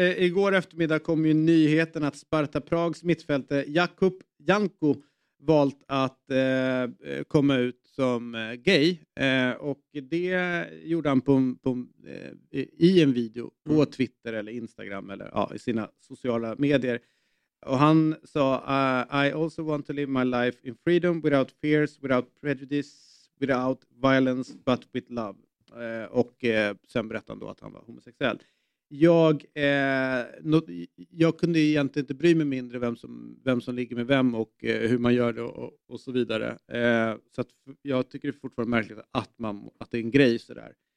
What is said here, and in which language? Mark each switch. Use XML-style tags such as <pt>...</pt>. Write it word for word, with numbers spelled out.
<sv>Eh, igår eftermiddag kom ju nyheten att Sparta Prags mittfältare Jakub Janko valt att eh, komma ut som eh, gay. Eh, och det gjorde han på, på, eh, i en video på mm. Twitter eller Instagram eller ja, i sina sociala medier. Och han sa uh,</sv> <en>I also want to live my life in freedom without fears, without prejudice, without violence but with love.</en> <sv>Eh, och eh, sen berättade han då att han var homosexuell. Jag, eh, not, jag kunde egentligen inte bry mig mindre vem som, vem som ligger med vem och eh, hur man gör det och, och så vidare. Eh, så att jag tycker det är fortfarande märkligt att, man, att det är en grej sådär.</sv>